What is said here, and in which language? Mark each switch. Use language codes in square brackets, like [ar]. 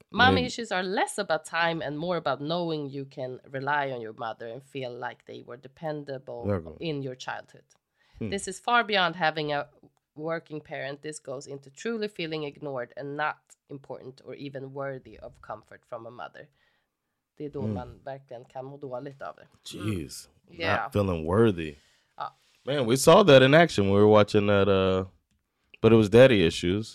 [en] Mommy issues are less about time and more about knowing you can rely on your mother and feel like they were dependable in your childhood. This is far beyond having a working parent. This goes into truly feeling ignored and not important or even worthy of comfort from a mother. [sv] Det är då man verkligen kan må dåligt av det. [en] Jeez. Not feeling worthy. Man, we saw that in action. We were watching that, but it was daddy issues.